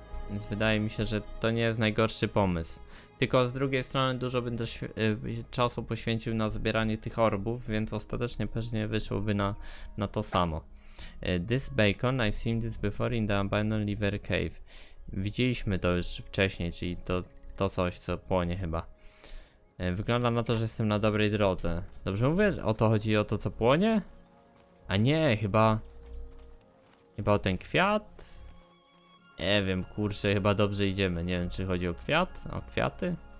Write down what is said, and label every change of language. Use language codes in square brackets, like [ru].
[pl] Więc wydaje mi się, że to nie jest najgorszy pomysł. Tylko z drugiej strony dużo będę czasu poświęcił na zbieranie tych orbów, więc ostatecznie pewnie wyszłoby na to samo. [en] This bacon, I've seen this before in the abandoned liver cave. [pl] Widzieliśmy to już wcześniej, czyli to coś, co płonie chyba. Wygląda na to, że jestem na dobrej drodze. Dobrze mówię? O to chodzi, o to, co płonie? A nie, chyba o ten kwiat? Nie wiem, kurczę, chyba dobrze idziemy. Nie wiem, czy chodzi o kwiat, o kwiaty?